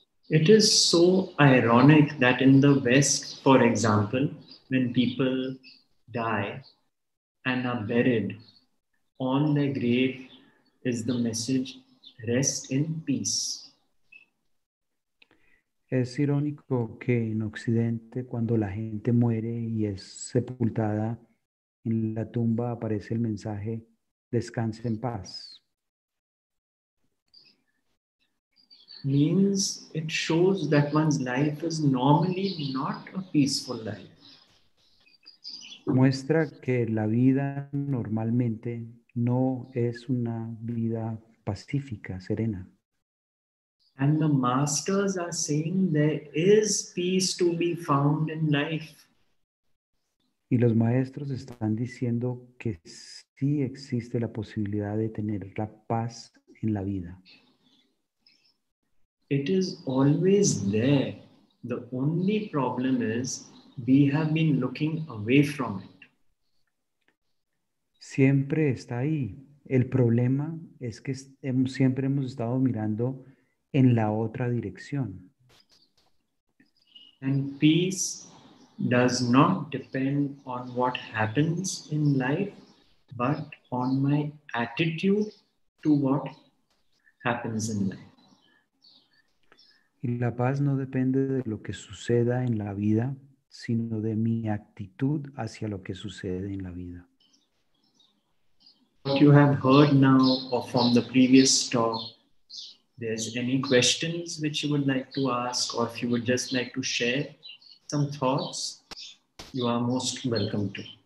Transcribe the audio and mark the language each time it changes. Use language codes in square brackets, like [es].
[en] It is so ironic that in the West, for example, when people die and are buried, on their grave is the message, rest in peace. [es] Es irónico que en Occidente, cuando la gente muere y es sepultada, en la tumba aparece el mensaje, descanse en paz. [en] means it shows that one's life is normally not a peaceful life. [es] Muestra que la vida normalmente no es una vida pacífica, serena. [en] And the masters are saying there is peace to be found in life. [es] Y los maestros están diciendo que sí existe la posibilidad de tener la paz en la vida. [en] It is always there. The only problem is we have been looking away from it. [es] Siempre está ahí. El problema es que siempre hemos estado mirando en la otra dirección. [en] And peace does not depend on what happens in life, but on my attitude to what happens in life. [es] Y la paz no depende de lo que suceda en la vida, sino de mi actitud hacia lo que sucede en la vida. [en] What you have heard now or from the previous talk, there's any questions which you would like to ask, or if you would just like to share some thoughts, you are most welcome to.